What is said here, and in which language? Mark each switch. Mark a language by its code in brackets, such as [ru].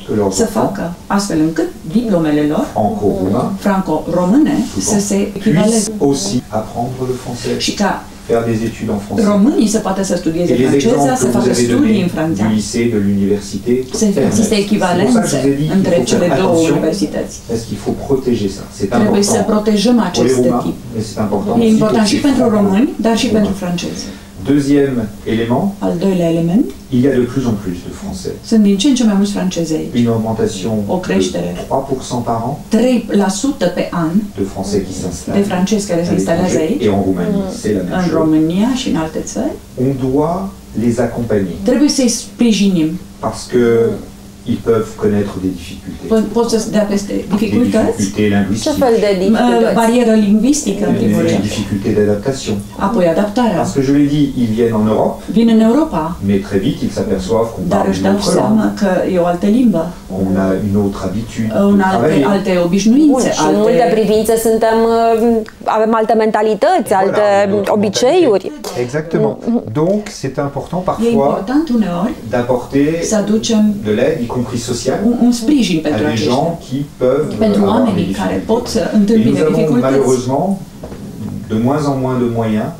[ro] Să facă astfel încât diplomele lor franco-române să se echivaleze. [fr] Aussi apprendre le français. [ro] Și ca [fr] faire des études en français. [ro] Românii se poate să studieze franceza, să facă studii în franceză. [fr] Du lycée, de l'université. [ro] Există echivalențe între cele două universități. [fr] Est-ce qu'il faut protéger ça? C'est important. [ro] Trebuie să protejăm acest tip. E important și pentru români, dar și pentru francezi. [fr] Deuxième élément. [ro] Al doilea element. [fr] Il y a de plus en plus de français. [ro] Sunt din ce în ce mai mulți francezi aici. [fr] Une augmentation. [ro] O creștere. [fr] 3% par an. [ro] 3% pe an. [fr] De français qui s'installent. [ro] De francezi care se instalează aici. [fr] Et en Roumanie, c'est la même chose. [ro] În România și în alte țări. [fr] On doit les accompagner. [ro] Trebuie să-i sprijinim. [fr] Parce que ils peuvent connaître des difficultés. [ro] Poți să dea peste dificultăți? [fr] Des difficultés linguistiques. [ro] Ce fel de dificultăți? Barieră lingvistică, în primul rând. [fr] Des difficultés d'adaptation. [ro] Apoi adaptarea. [fr] Parce que je l'ai dit, ils viennent en Europe. [ro] Vin în Europa. [fr] Mais très vite, ils s'aperçoivent qu'on parle une autre [ro] langue. Dar își dau seama că e o altă limbă. [fr] On a une autre habitude de travailler. On a [ro] alte obișnuințe. Și în multe privințe suntem, avem alte mentalități, alte obiceiuri. [fr] Exactement. Donc, c'est important parfois. [ro] E important uneori. [fr] D'apporter. [ro] Să aducem. [fr] De l'aide. Y compris social, [ro] un sprijin pentru [fr] acești gens qui peuvent [ro] pentru oamenii care pot să întâmpine dificultăți. [fr] Malheureusement, de moins en moins de moyens.